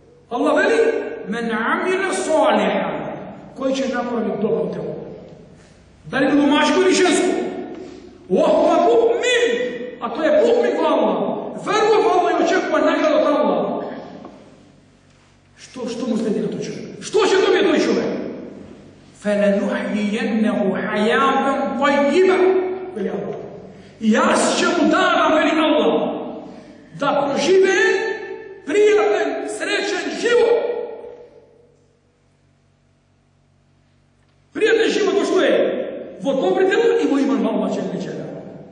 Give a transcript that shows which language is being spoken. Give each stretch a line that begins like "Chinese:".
Macedonian: Аллах вели:
Arabic: "Мен амиле салиха",
Macedonian: кој ќе направи добро дело. Дали било машко или женско?
Arabic: Охва мукмин,
Macedonian: а тоа е мукмин во Аллах. Верува во Аллах и очекува награда од Аллах. Што му следи на тој човек? Што ќе добие тој човек?
Arabic: فَلَنُحْيِيَنَّهُ حَيَاتًا طَيِّبًا
Macedonian: вели Аллах. И јас ќе му дадам, вели Аллах, да проживе пријатен, среќен живот. Пријатен живот во што е? Во добри дел и во иман во Аллах Джелле Джелалу.